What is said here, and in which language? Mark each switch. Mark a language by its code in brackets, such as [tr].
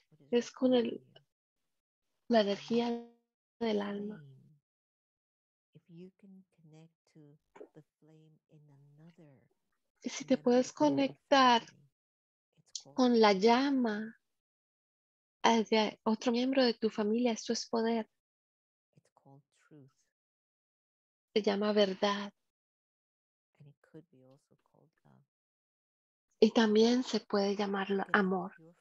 [es] Es con la energía del alma. [en] If you can connect to the flame in another, [es] y si te puedes conectar con la llama de otro miembro de tu familia, esto es poder. [en] It's called truth. [es] Se llama verdad. [en] And it could be also called love. [es] Y también se puede llamar amor.